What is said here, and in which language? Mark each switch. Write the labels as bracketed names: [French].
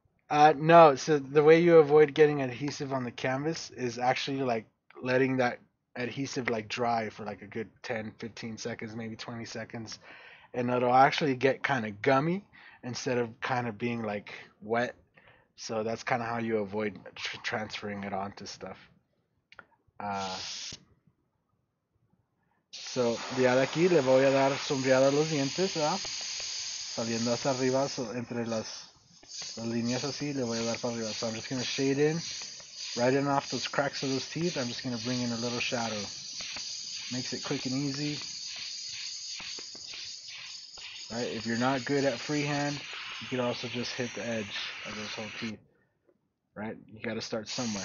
[English] No, so the way you avoid getting adhesive on the canvas is actually like letting that adhesive like dry for like a good 10, 15 seconds, maybe 20 seconds. And it'll actually get kind of gummy instead of kind of being like wet. So that's kind of how you avoid transferring it onto stuff. [Spanish] So ya de aquí le voy a dar sombreada a los dientes, ¿verdad? Saliendo hacia arriba, so entre las líneas así, le voy a dar para arriba. [English] So I'm just going to shade in, right in off those cracks of those teeth. I'm just going to bring in a little shadow. Makes it quick and easy. Right? If you're not good at freehand, you can also just hit the edge of this whole teeth, right? You got to start somewhere.